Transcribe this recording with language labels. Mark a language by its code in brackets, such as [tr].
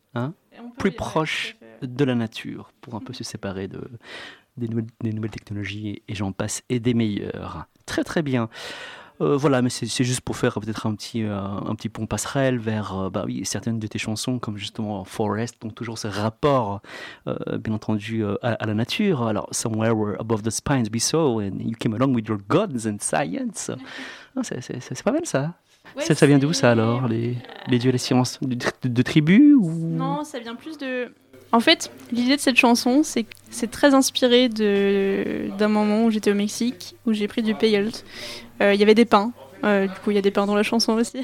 [fr] Hein, plus proche de la nature pour un peu se séparer des nouvelles technologies et j'en passe et des meilleurs. Très très bien. Voilà, mais c'est juste pour faire peut-être un petit pont passerelle vers certaines de tes chansons comme justement Forest, donc toujours ce rapport bien entendu à la nature. [en] Alors Somewhere where above the spines we saw and you came along with your gods and science. [fr] Non, c'est pas mal ça. Ouais, ça vient d'où ça alors, les dieux et les sciences de tribus ou... Non, ça vient plus de... En fait, l'idée de cette chanson, c'est très inspiré d'un moment où j'étais au Mexique, où j'ai pris du peyote. Il y avait des pins, du coup il y a des pins dans la chanson aussi.